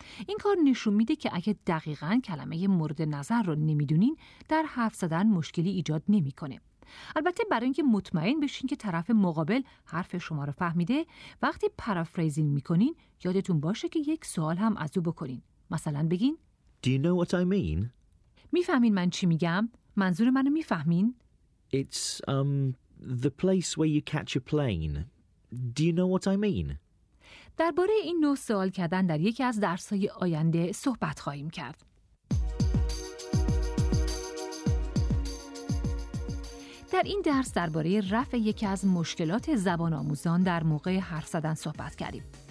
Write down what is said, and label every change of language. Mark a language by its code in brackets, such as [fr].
[fa] این کار نشون میده که اگه دقیقاً کلمه مورد نظر رو نمیدونین در حرف زدن مشکلی ایجاد نمیکنه. البته برای اینکه مطمئن بشین که طرف مقابل حرف شما رو فهمیده، وقتی پارافریزینگ میکنین یادتون باشه که یک سوال هم از او بکنین. مثلا بگین [en] Do you know what I mean? [fa] میفهمین من چی میگم؟ منظور منو میفهمین؟ [en] It's the place where you catch a plane. Do you know what I mean? [fa] درباره این نوع سوال کردن در یکی از درس‌های آینده صحبت خواهیم کرد. در این درس درباره رفع یکی از مشکلات زبان آموزان در موقع حرف زدن صحبت کردیم.